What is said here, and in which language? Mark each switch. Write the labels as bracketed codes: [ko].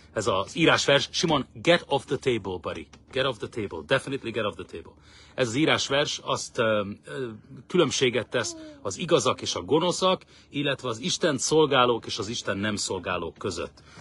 [hu] Ez az írásvers, Simon, [en] get off the table, buddy. Get off the table, definitely get off the table. [hu] Ez az írásvers azt különbséget tesz az igazak és a gonoszak, illetve az Isten szolgálók és az Isten nem szolgálók között.